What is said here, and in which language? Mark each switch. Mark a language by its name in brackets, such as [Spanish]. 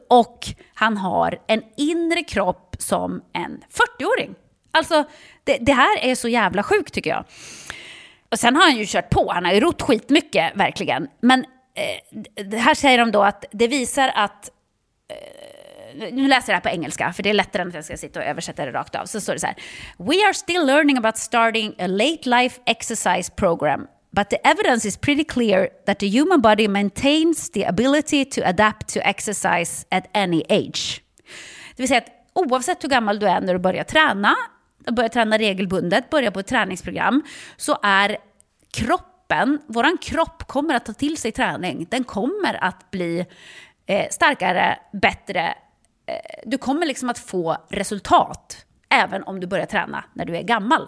[Swedish] Och han har en inre kropp som en 40-åring. Alltså, det här är så jävla sjukt tycker jag. Och sen har han ju kört på. Han har ju rott skitmycket, verkligen. Men det här säger de då att det visar att... nu läser jag det här på engelska, för det är lättare än att jag ska sitta och översätta det rakt av. Så står det så här. [English] We are still learning about starting a late life exercise program. But the evidence is pretty clear that the human body maintains the ability to adapt to exercise at any age. [Swedish] Det vill säga att oavsett hur gammal du är när du börjar träna regelbundet, börjar på ett träningsprogram, så är kroppen, våran kropp kommer att ta till sig träning. Den kommer att bli starkare, bättre. Du kommer liksom att få resultat även om du börjar träna när du är gammal.